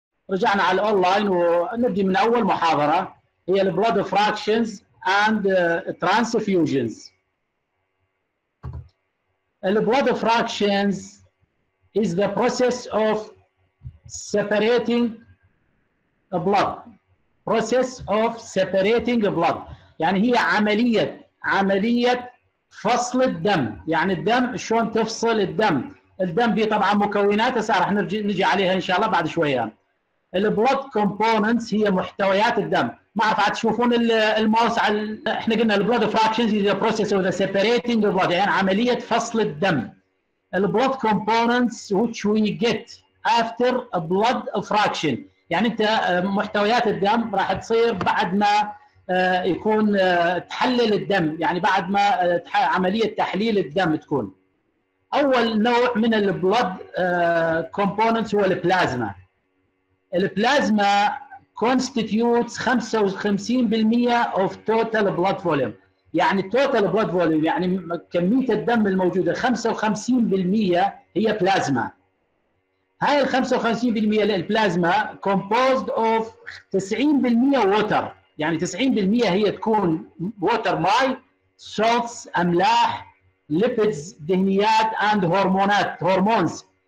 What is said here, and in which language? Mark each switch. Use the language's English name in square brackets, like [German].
[Arabic] رجعنا على الاونلاين ونبدي من اول محاضره هي [English] البلود fractions and transfusions. البلود فراكشنز is the process of separating the blood. Process of separating the blood. [Arabic] يعني هي عملية فصل الدم. يعني الدم شلون تفصل الدم. الدم فيه طبعا مكونات هسه راح نجي عليها ان شاء الله بعد شوية. ال blood components هي محتويات الدم. ما اعرف عاد تشوفون الماوس على احنا قلنا ال [English] blood fractions is the process of the separating the blood. [Arabic] يعني عملية فصل الدم. [English] البلود components which we get after a blood fraction. [Arabic] يعني انت محتويات الدم راح تصير بعد ما يكون تحلل الدم، يعني بعد ما عملية تحليل الدم تكون. أول نوع من البلود كومبوننتس هو البلازما. [English] البلازما constitutes 55% of total blood volume. [Arabic] يعني التوتال بلود فوليوم يعني كميه الدم الموجوده 55% هي بلازما. هاي ال 55% البلازما كومبوزد اوف 90% ووتر، يعني 90% هي تكون ووتر ماي، سولتس، املاح، ليبيدز، دهنيات اند هرمونات هرمونز.